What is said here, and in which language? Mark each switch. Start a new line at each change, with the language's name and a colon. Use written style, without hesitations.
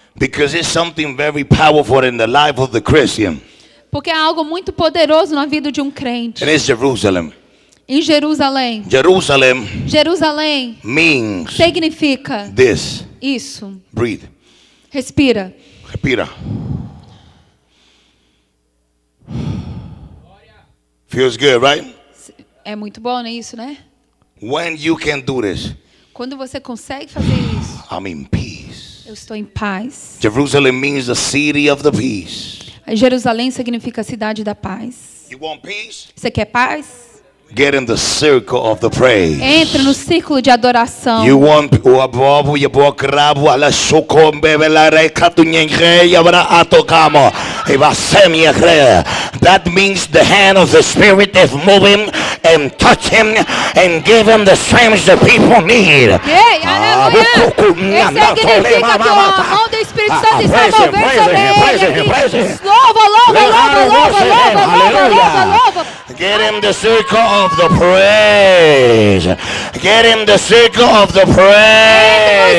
English: Because it's something very powerful in the life of the Christian.
Portuguese: Porque é algo muito poderoso na vida de um crente.
English: And it's Jerusalem.
Portuguese: Em Jerusalém.
English: Jerusalem.
Portuguese: Jerusalém.
English: Means.
Portuguese: Significa.
English: This.
Portuguese: Isso.
English: Breathe.
Portuguese: Respira. Respira.
English: Feels good, right?
Portuguese: É muito bom, não é isso, né?
English: When you can do this.
Portuguese: Quando você consegue fazer isso.
English: I'm in peace.
Portuguese: Eu estou em paz.
English: Jerusalem means the city of the peace.
Portuguese: Jerusalém significa a cidade da paz.
English: You want peace?
Portuguese: Você quer paz?
English: Get in the circle of the praise.
Portuguese: Entre no círculo de adoração.
English: You want o abobo e o cravo a la socombe velare catunhenge e abra a tocamo e vasemia crea. That means the hand of the Spirit is moving and touching and giving the strength the people need.
Portuguese: Aleluia! Isso significa que a mão do Espírito Santo está movendo sobre ele. Louva, louva, louva, louva, louva, louva, louva.
English: Get in the circle of the praise. Get in the circle of the praise.